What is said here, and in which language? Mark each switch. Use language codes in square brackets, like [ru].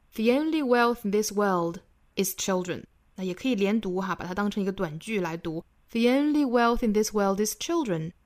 [en] The only wealth in this world is children. [zh] 那也可以连读哈，把它当成一个短句来读。 [en] The only wealth in this world is children.